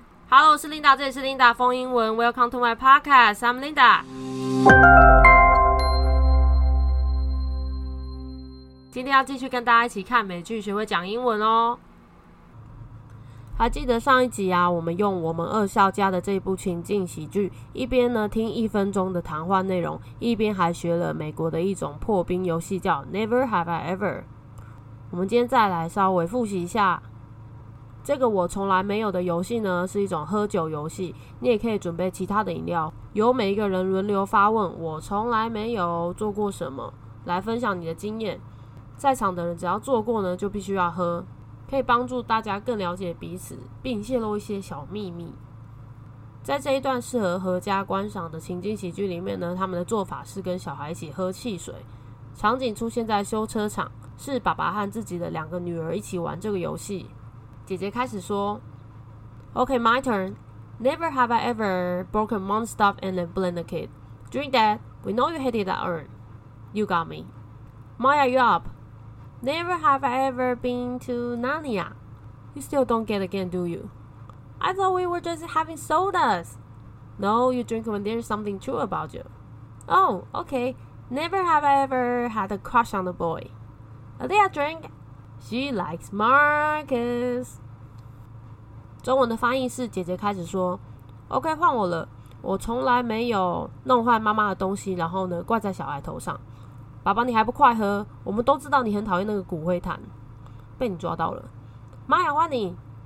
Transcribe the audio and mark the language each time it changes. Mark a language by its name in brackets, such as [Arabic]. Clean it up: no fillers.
[English] Hello， [Chinese] 我是 [English] Linda， [Chinese] 这里是 Linda 风英文 [English] ，Welcome to my podcast， I'm Linda。 [Chinese] 今天要继续跟大家一起看美剧，学会讲英文哦。还记得上一集啊，我们用我们厄蕭家的这部情境喜剧，一边呢听一分钟的谈话内容，一边还学了美国的一种破冰游戏叫 Never Have I Ever。我们今天再来稍微复习一下。这个我从来没有的游戏呢，是一种喝酒游戏。你也可以准备其他的饮料，由每一个人轮流发问：我从来没有做过什么，来分享你的经验。在场的人只要做过呢，就必须要喝，可以帮助大家更了解彼此，并泄露一些小秘密。在这一段适合合家观赏的情景喜剧里面呢，他们的做法是跟小孩一起喝汽水。场景出现在修车厂，是爸爸和自己的两个女儿一起玩这个游戏。姐姐开始说 [English] ：“OK, my turn. Never have I ever broken mom's stuff and then blamed the kid. Drink that. We know you hated that urn. You got me. Maya, you up? Never have I ever been to Narnia. You still don't get again, do you? I thought we were just having sodas. No, you drink when there's something true about you. Oh, okay. Never have I ever had a crush on a boy. Alia, drink.” She likes Marcus. [Chinese] 中文的翻译是：姐姐开始说 ，OK， 换我了。我从来没有弄坏妈妈的东西，然后呢，怪在小孩头上。爸爸，你还不快喝？我们都知道你很讨厌那个骨灰坛，被你抓到了。妈呀，换你！